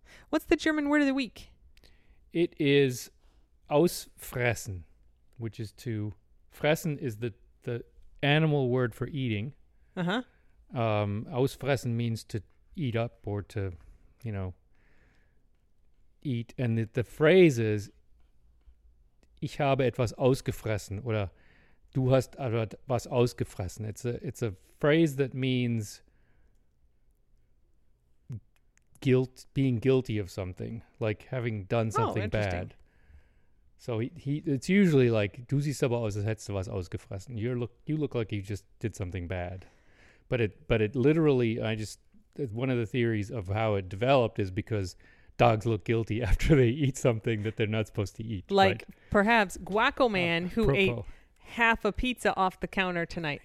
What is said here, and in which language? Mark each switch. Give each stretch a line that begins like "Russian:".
English: What's the German word of the week? It is ausfressen, which is to... Fressen is the animal word for eating. Ausfressen means to eat up or to, you know, eat. And the phrase is,
German: ich habe etwas ausgefressen, oder du hast was ausgefressen.
English: It's a phrase that means guilt, being guilty of something, like having done something bad. So it's usually like,
German: du siehst aber aus, als hättest du was ausgefressen.
English: You look like you just did something bad. But it literally, one of the theories of how it developed is because dogs look guilty after they eat something that they're not supposed to eat. Like, right? Perhaps Guaco Man, who ate half a pizza off the counter tonight.